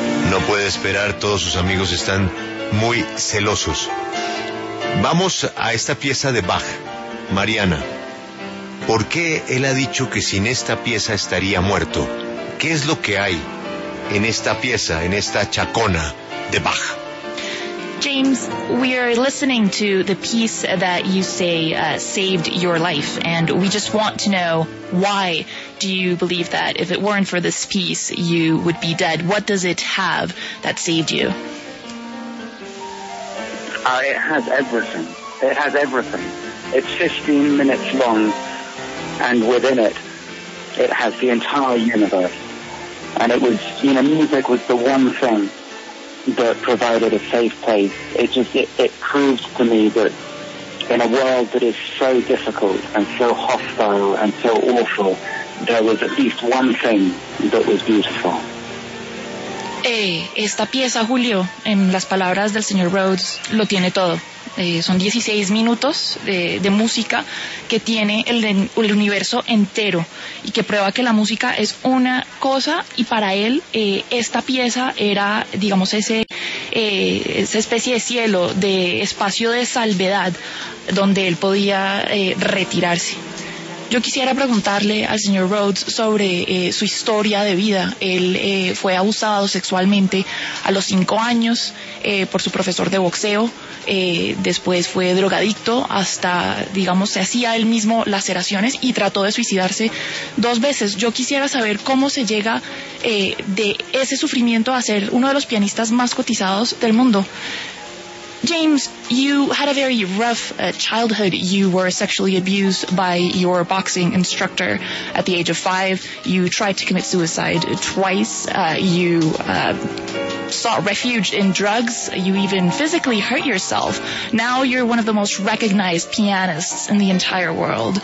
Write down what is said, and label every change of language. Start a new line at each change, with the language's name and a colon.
Spanish: No puede esperar, todos sus amigos están muy celosos. Vamos a esta pieza de Bach, Mariana. ¿Por qué él ha dicho que sin esta pieza estaría muerto? ¿Qué es lo que hay en esta pieza, en esta chacona de Bach?
English: James, we are listening to the piece that you say saved your life, and we just want to know, why do you believe that if it weren't for this piece, you would be dead? What does it have that saved you? It has everything. It has everything. It's 15 minutes long, and within it, it has the entire universe. And it was, you know, music was the one thing that provided a safe place. It just, it proves to me that in a world that is so difficult and so hostile and so awful, there was at least one thing that was beautiful.
Spanish: Esta pieza, Julio, en las palabras del señor Rhodes, lo tiene todo. Son 16 minutos de música que tiene el universo entero y que prueba que la música es una cosa, y para él esta pieza era, digamos, esa especie de cielo, de espacio de salvedad donde él podía retirarse. Yo quisiera preguntarle al señor Rhodes sobre su historia de vida. Él fue abusado sexualmente a los 5 años por su profesor de boxeo. Después fue drogadicto hasta, digamos, se hacía él mismo laceraciones y trató de suicidarse 2 veces. Yo quisiera saber cómo se llega de ese sufrimiento a ser uno de los pianistas más cotizados del mundo.
English: James, you had a very rough childhood. You were sexually abused by your boxing instructor at the age of 5. You tried to commit suicide twice. You sought refuge in drugs. You even physically hurt yourself. Now you're one of the most recognized pianists in the entire world.